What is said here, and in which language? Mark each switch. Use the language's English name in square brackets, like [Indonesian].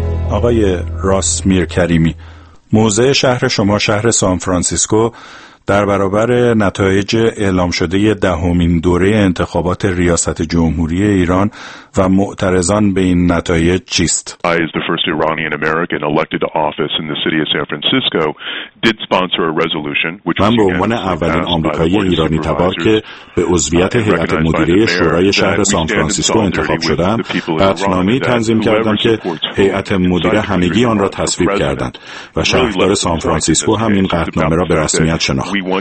[Persian] آقای راس میرکریمی، موضع شهر شما، شهر سان فرانسیسکو، در برابر نتایج اعلام شده دهمین دوره انتخابات ریاست جمهوری ایران و معترضان به این نتایج چیست؟ [English] I as the first Iranian American elected to office in the city of San Francisco did sponsor a resolution which [Persian] من به عنوان اولین آمریکایی ایرانی تبار که به عضویت هیئت مدیره شورای شهر سان فرانسیسکو انتخاب شدم، قطعنامه‌ای تنظیم کردم که هیئت مدیره همگی آن را تصویب کردند و شهردار سان فرانسیسکو هم این قطعنامه را به رسمیت شناخت.